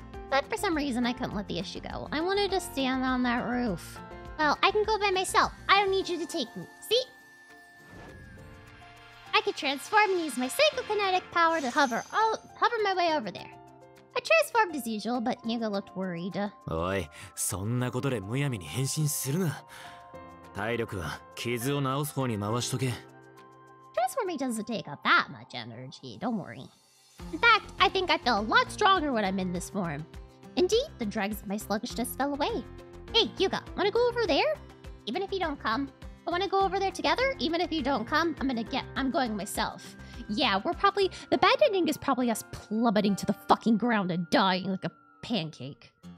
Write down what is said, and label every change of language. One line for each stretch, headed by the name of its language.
English: But for some reason, I couldn't let the issue go. I wanted to stand on that roof. Well, I can go by myself. I don't need you to take me. See? I could transform and use my psychokinetic power to hover my way over there. I transformed as usual, but Hyuga looked worried.
Japanese: おい、そんなことで無闇に変身するな。体力は傷を治す方に回しとけ。
English: Transforming doesn't take up that much energy, don't worry. In fact, I think I feel a lot stronger when I'm in this form. Indeed, the dregs of my sluggishness fell away. Hey, Hyuga, wanna go over there? Even if you don't come. I wanna go over there together? Even if you don't come, I'm going myself. Yeah, the bad ending is probably us plummeting to the fucking ground and dying like a pancake.